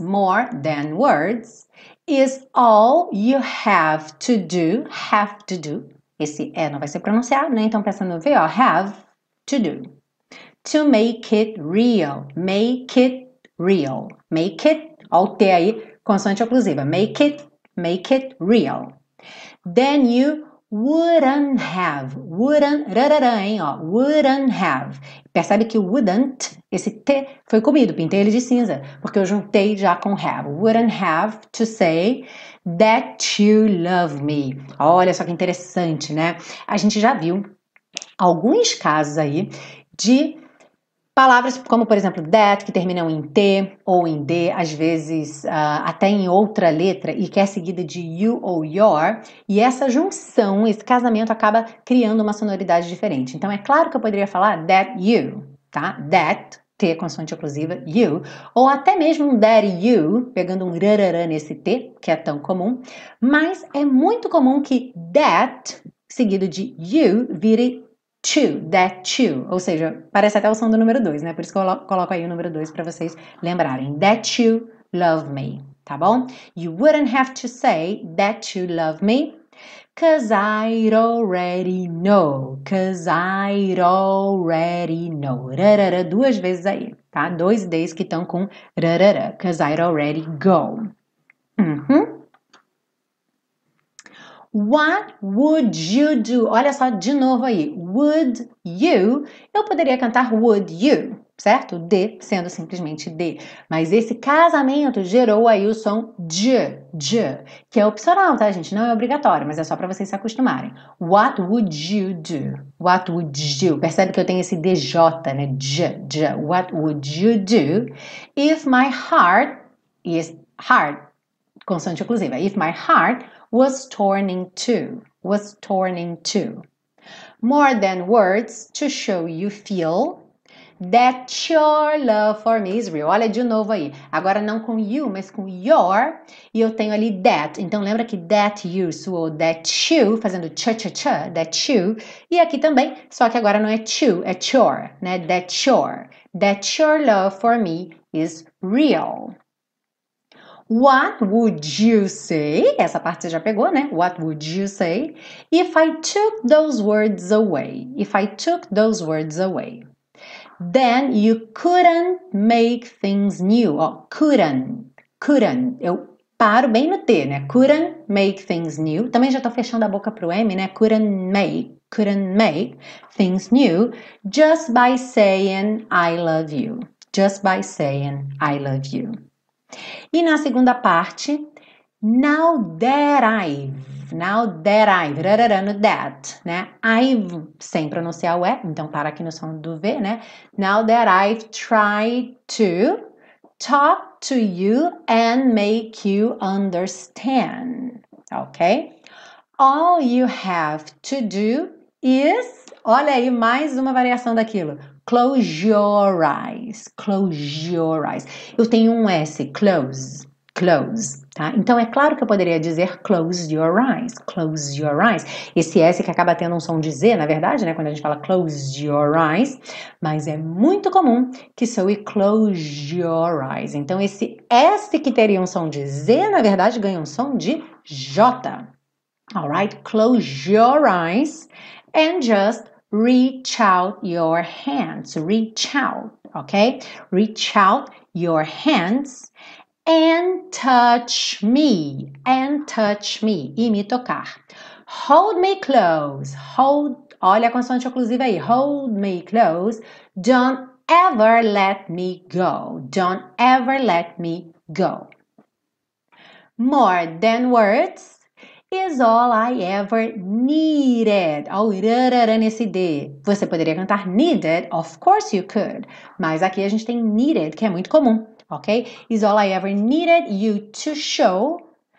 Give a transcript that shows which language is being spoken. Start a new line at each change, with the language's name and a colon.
English: More than words is all you have to do. Have to do.
Portuguese: Esse é, não vai ser pronunciado, né? Então, pensa no V, ó.
English: Have to do. To make it real. Make it real. Make it.
Portuguese: Ó, o T aí, consoante oclusiva.
English: Make it real. Then you wouldn't have. Wouldn't. Rararã, hein, ó. Wouldn't have.
Portuguese: Percebe que o wouldn't, esse T foi comido, pintei ele de cinza, porque eu juntei já com have.
English: Wouldn't have to say that you love me.
Portuguese: Olha só que interessante, né? A gente já viu alguns casos aí de palavras como, por exemplo, that, que terminam em T ou em D, às vezes até em outra letra e que é seguida de you ou your, e essa junção, esse casamento acaba criando uma sonoridade diferente. Então, é claro que eu poderia falar that you, tá? That, T, consoante oclusiva, you, ou até mesmo um that you, pegando um rararã nesse T, que é tão comum, mas é muito comum que that, seguido de you, vire to, that you, ou seja, parece até o som do número 2, né? Por isso que eu coloco aí o número 2 para vocês lembrarem.
English: That you love me,
Portuguese: tá bom?
English: You wouldn't have to say that you love me, 'cause I'd already know, 'cause I'd already know.
Portuguese: Rarara, duas vezes aí, tá? Dois Ds que estão com rarara,
English: 'cause I'd already go. What would you do?
Portuguese: Olha só de novo aí.
English: Would you?
Portuguese: Eu poderia cantar would you, certo? D sendo simplesmente D. Mas esse casamento gerou aí o som de, que é opcional, tá, gente? Não é obrigatório, mas é só para vocês se acostumarem.
English: What would you do? What would you?
Portuguese: Percebe que eu tenho esse DJ, né? De.
English: What would you do if my heart is heart?
Portuguese: Consoante oclusiva.
English: If my heart was torn in two, more than words to show you feel that your love for me is real.
Portuguese: Olha de novo aí, agora não com you, mas com your, e eu tenho ali that, então lembra que that you soou that you, fazendo cha-cha-cha, that you, e aqui também, só que agora não é to, é your, né,
English: that your love for me is real. What would you say?
Portuguese: Essa parte você já pegou, né?
English: What would you say if I took those words away? If I took those words away, then you couldn't make things new.
Portuguese: Ó, couldn't. Eu paro bem no T, né?
English: Couldn't make things new.
Portuguese: Também já tô fechando a boca pro M, né?
English: Couldn't make things new just by saying I love you. Just by saying I love you.
Portuguese: E na segunda parte,
English: now that I've,
Portuguese: rararando that, né? I've, sem pronunciar o E, então para aqui no som do V, né?
English: Now that I've tried to talk to you and make you understand, ok? All you have to do is,
Portuguese: olha aí, mais uma variação daquilo.
English: Close your eyes, close your eyes.
Portuguese: Eu tenho um S, close, close, tá? Então é claro que eu poderia dizer
English: close your eyes,
Portuguese: esse S que acaba tendo um som de Z, na verdade, né? Quando a gente fala
English: close your eyes,
Portuguese: mas é muito comum que soe close your eyes. Então esse S que teria um som de Z, na verdade, ganha um som de J.
English: Alright? Close your eyes and just reach out your hands, reach out, ok? Reach out your hands and touch me, and touch me,
Portuguese: e me tocar.
English: Hold me close, hold,
Portuguese: Olha a consoante oclusiva aí.
English: Hold me close. Don't ever let me go. Don't ever let me go. More than words is all I ever needed.
Portuguese: Olha o irarara nesse D. Você poderia cantar needed,
English: of course you could.
Portuguese: Mas aqui a gente tem needed, que é muito comum, ok?
English: Is all I ever needed you to show.